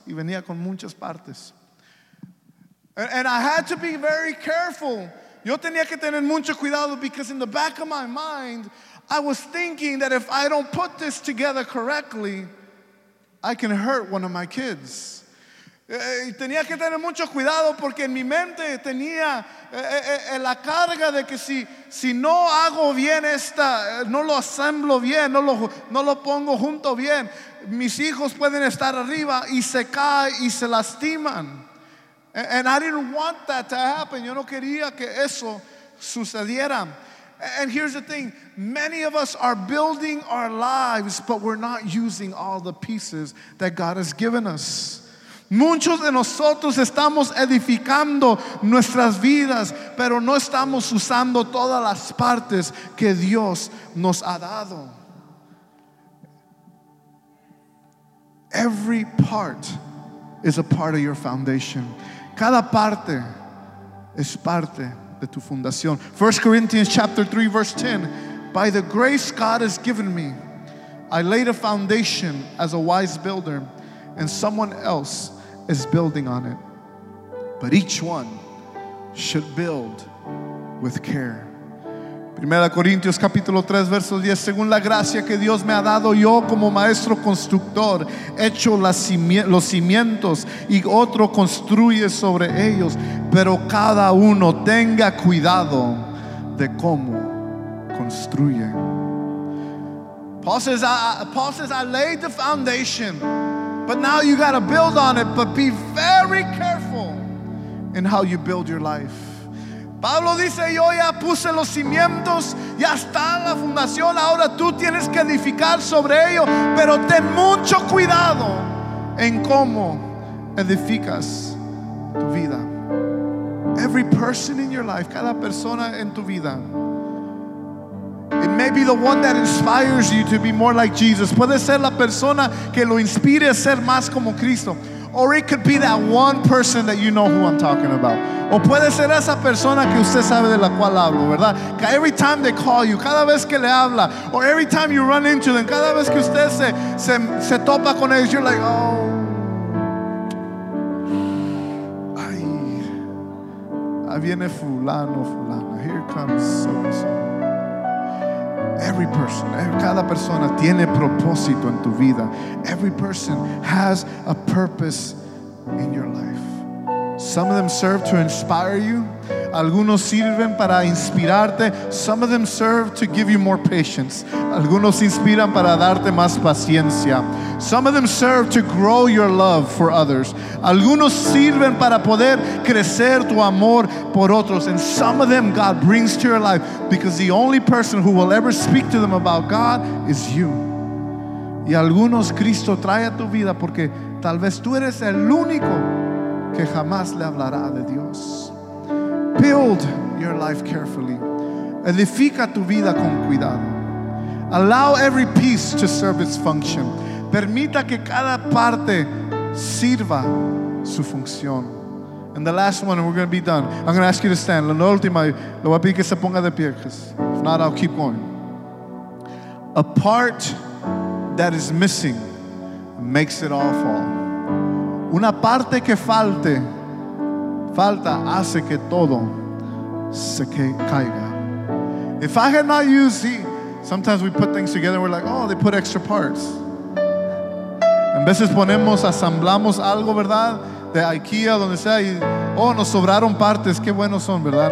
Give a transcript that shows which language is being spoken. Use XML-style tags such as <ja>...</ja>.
<es>Y venía con muchas partes.</es> <en>And I had to be very careful.</en> <es>Yo tenía que tener mucho cuidado</es> <en>because in the back of my mind, I was thinking that if I don't put this together correctly, I can hurt one of my kids.</en> <es>Tenía que tener mucho cuidado porque en mi mente tenía la carga de que si no hago bien esta, no lo asemblo bien, no lo pongo junto bien, mis hijos pueden estar arriba y se cae y se lastiman.</es> <en>And I didn't want that to happen.</en> <es>Yo no quería que eso sucediera.</es> <en>And here's the thing. Many of us are building our lives, but we're not using all the pieces that God has given us.</en> <es>Muchos de nosotros estamos edificando nuestras vidas, pero no estamos usando todas las partes que Dios nos ha dado.</es> <en>Every part is a part of your foundation.</en> <es>Cada parte es parte de tu fundación.</es> <en>1 Corinthians chapter 3, verse 10. By the grace God has given me, I laid a foundation as a wise builder, and someone else is building on it. But each one should build with care.</en> <es>1 Corintios capítulo 3, verso 10. Según la gracia que Dios me ha dado, yo como maestro constructor, echo los cimientos y otro construye sobre ellos. Pero cada uno tenga cuidado de cómo construye.</es> <en>Paul says, I laid the foundation, but now you got to build on it. But be very careful in how you build your life.</en> <es>Pablo dice, yo ya puse los cimientos, ya está la fundación, ahora tú tienes que edificar sobre ello, pero ten mucho cuidado en cómo edificas tu vida.</es> <en>Every person in your life,</en> <es>cada persona en tu vida,</es> <en>it may be the one that inspires you to be more like Jesus.</en> <es>Puede ser la persona que lo inspire a ser más como Cristo.</es> <en>Or it could be that one person that you know who I'm talking about.</en> <es>O puede ser esa persona que usted sabe de la cual hablo, ¿verdad?</es> <en>Every time they call you,</en> <es>cada vez que le habla,</es> <en>or every time you run into them,</en> <es>cada vez que usted se topa con ellos,</es> <en>you're like, oh,</en> <es>ay, ahí viene fulano,</es> <en>here comes so-and-so. Every person,</en> <es>cada persona tiene propósito en tu vida.</es> <en>Every person has a purpose in your life. Some of them serve to inspire you.</en> <es>Algunos sirven para inspirarte.</es> <en>Some of them serve to give you more patience.</en> <es>Algunos inspiran para darte más paciencia.</es> <en>Some of them serve to grow your love for others.</en> <es>Algunos sirven para poder crecer tu amor por otros.</es> <en>And some of them God brings to your life because the only person who will ever speak to them about God is you.</en> <es>Y algunos Cristo trae a tu vida porque tal vez tú eres el único que jamás le hablará de Dios.</es> <en>Build your life carefully.</en> <es>Edifica tu vida con cuidado.</es> <en>Allow every piece to serve its function.</en> <es>Permita que cada parte sirva su función.</es> <en>And the last one, and we're going to be done. I'm going to ask you to stand.</en> <es>La última, lo voy a pedir que se ponga de pie.</es> <en>If not, I'll keep going. A part that is missing makes it all fall.</en> <es>Una parte que falte, falta hace que todo se caiga.</es> <en>If I had not used, see, sometimes we put things together, we're like, oh, they put extra parts.</en> <es>En veces ponemos, asamblamos algo, ¿verdad? De IKEA, donde sea, y oh, nos sobraron partes, qué buenos son, ¿verdad?</es>